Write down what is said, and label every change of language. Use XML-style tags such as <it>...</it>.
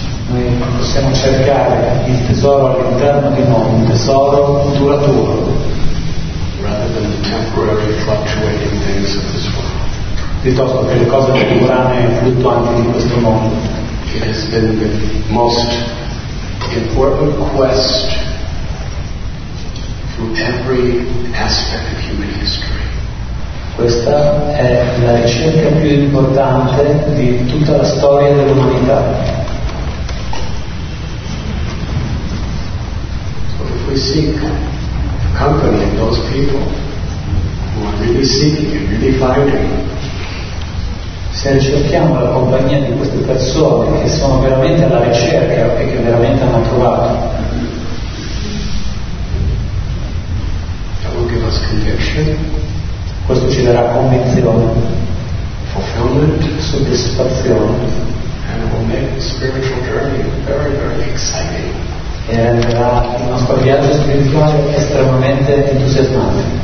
<it>Noi possiamo cercare il tesoro all'interno di noi, un tesoro duraturo,</it> <en>rather than the temporary fluctuating things of this world.</en> <it>Piuttosto che le cose temporanee e fluttuanti di questo mondo.</it> <en>It has been the most important quest through every aspect of human history.</en> <it>Questa è la ricerca più importante di tutta la storia dell'umanità.</it> <en>So if we seek company of those people who are really seeking and really finding,</en> <it>se ricerchiamo la compagnia di queste persone che sono veramente alla ricerca e che veramente hanno trovato,</it> <en>that will give us conviction,</en> <it>questo ci darà convinzione,</it> <en>fulfillment,</en> <it>soddisfazione,</it> <en>and will make the spiritual journey very, very exciting,</en> <it>e renderà il nostro viaggio spirituale estremamente entusiasmante.</it>